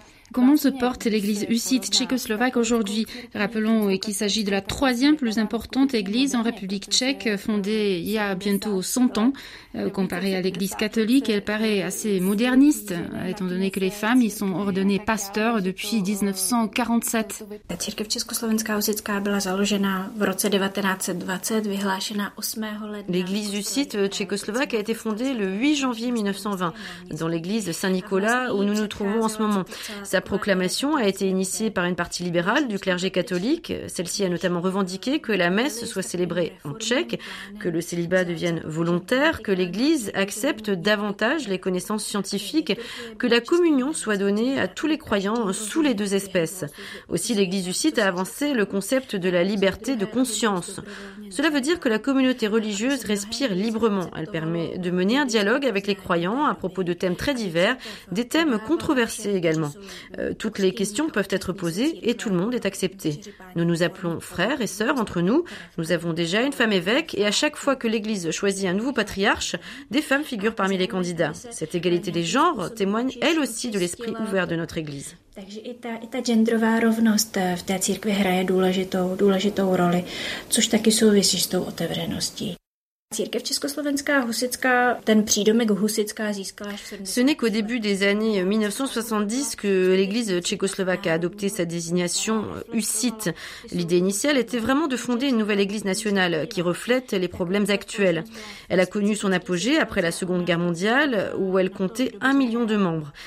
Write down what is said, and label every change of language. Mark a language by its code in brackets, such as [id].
[fr] Comment se porte l'église Husite tchécoslovaque aujourd'hui? Rappelons qu'il s'agit de la 3e plus importante église en République tchèque, fondée il y a bientôt 100 ans. Comparée à l'église catholique, elle paraît assez moderniste, étant donné que les femmes y sont ordonnées pasteurs depuis 1947. [cs] La církev československá husitská byla založena v roce 1920, vyhlášena 8. ledna. [fr] L'église Husite tchécoslovaque a été fondée le 8 janvier 1920, dans l'église Saint-Nicolas, où nous nous trouvons en ce moment. Sa proclamation a été initiée par une partie libérale du clergé catholique. Celle-ci a notamment revendiqué que la messe soit célébrée en tchèque, que le célibat devienne volontaire, que l'Église accepte davantage les connaissances scientifiques, que la communion soit donnée à tous les croyants sous les deux espèces. Aussi, l'Église Husite a avancé le concept de la liberté de conscience. Cela veut dire que la communauté religieuse respire librement. Elle permet de mener un dialogue avec les croyants à propos de thèmes très divers, des thèmes controversés également. Toutes les questions peuvent être posées et tout le monde est accepté. Nous nous appelons frères et sœurs entre nous. Nous avons déjà une femme évêque et à chaque fois que l'Église choisit un nouveau patriarche, des femmes figurent parmi les candidats. Cette égalité des genres témoigne elle aussi de l'esprit ouvert de notre Église. [cs] Takže i ta genderová rovnost v té církvi hraje důležitou roli, což taky souvisí s tou otevřeností. Církev československá husitská, ten přídomek husitská získala až v 70. [fr] Ce n'est qu'au début des années 1970 que l'église tchécoslovaque a adopté sa désignation Husite. L'idée initiale était vraiment de fonder une nouvelle église nationale qui reflète les problèmes actuels. Elle a connu son apogée après la Seconde Guerre mondiale où elle comptait 1 million de membres.